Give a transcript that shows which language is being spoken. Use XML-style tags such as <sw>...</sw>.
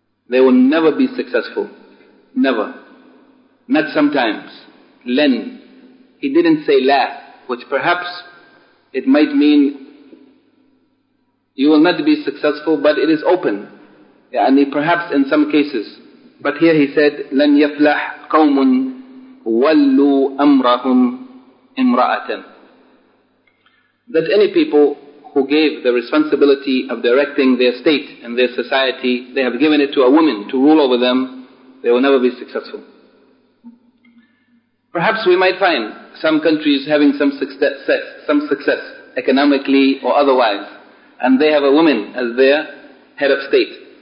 <en>They will never be successful. Never. Not sometimes. لَنْ. He didn't say لَا, which perhaps it might mean you will not be successful, but it is open. يعني, perhaps in some cases. But here he said,</en> <ar>لَنْ يَفْلَحْ قَوْمٌ وَلُّوا أَمْرَهُمْ إِمْرَأَةً.</ar> <en>That any people who gave the responsibility of directing their state and their society, they have given it to a woman to rule over them, they will never be successful. Perhaps we might find some countries having some success, economically or otherwise, and they have a woman as their head of state.</en>